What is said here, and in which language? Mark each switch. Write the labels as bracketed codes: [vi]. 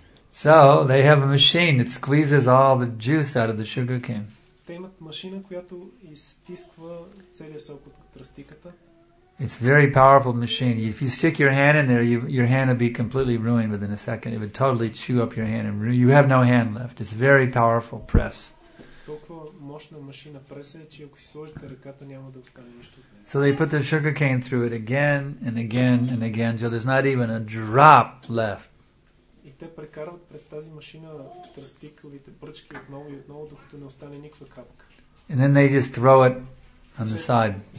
[en] So they have a machine, it squeezes all the juice out of the sugar cane. [bg] Те имат машина, която изтисква целия сок от тръстиката. [en] It's a very powerful machine. If you stick your hand in there, your hand would be completely ruined within a second. It would totally chew up your hand and you have no hand left. It's a very powerful press. [bg] Толкова мощна машина преса, че ако си сложите ръката, няма да остане нищо. [en] So they put the sugar cane through it again and again and again, so there's not even a drop left. [bg] И те прекарват през тази машина тръстикавите пръчки отново и отново, докато не остане никаква капка. [en] And then they just throw it on the side.